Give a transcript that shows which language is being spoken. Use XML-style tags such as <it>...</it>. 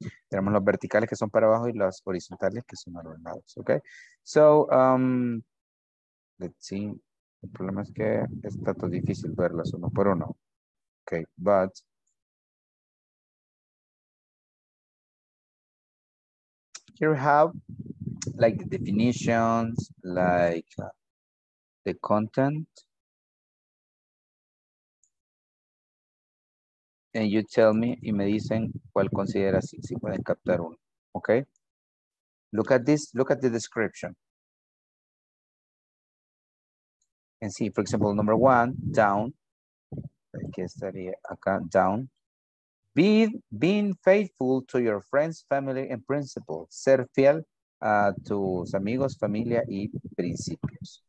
<es>Tenemos los verticales que son para abajo y los horizontales que son ordenados. Okay.</es> <en>So, let's see.</en> <es>El problema es que está todo difícil verlas uno por uno.</es> <en>Okay, but here we have like the definitions, like the content. And you tell me,</en> <es>y me dicen cuál consideras, si pueden captar uno.</es> <en>Okay, look at this, look at the description. And see, for example, number one, down.</en> <es>Que estaría acá,</es> <en>down. Being faithful to your friends, family, and principles.</en> <es>Ser fiel a tus amigos, familia, y principios.</es>